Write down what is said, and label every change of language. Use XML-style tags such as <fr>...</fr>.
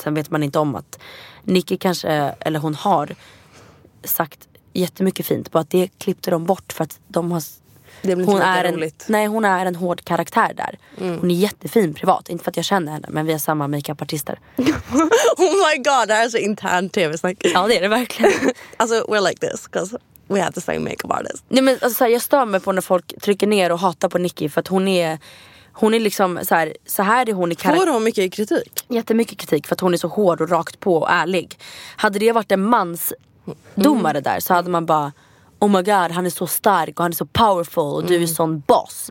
<sv>Sen vet man inte om att Nicki kanske, eller hon har sagt jättemycket fint. På att det klippte de bort för att de har... Det blir hon är roligt. Hon är en hård karaktär där. Mm. Hon är jättefin privat. Inte för att jag känner henne, men vi är samma makeup-artister.</sv> <en>Oh my god,</en> <sv>det här är så intern tv-snack. Ja, det är det verkligen. Alltså,</sv> <en>we're like this, because we have the same makeup artist.</en> <sv>Nej, men alltså, så här, jag stör mig på när folk trycker ner och hatar på Nicki. För att hon är liksom så här är hon i karaktär. Får hon mycket kritik? Jättemycket kritik, för att hon är så hård och rakt på och ärlig. Hade det varit en mans domare där, så hade man bara...</sv> <en>Oh my god,</en> <sv>han är så stark och han är så powerful och du är sån boss.</sv>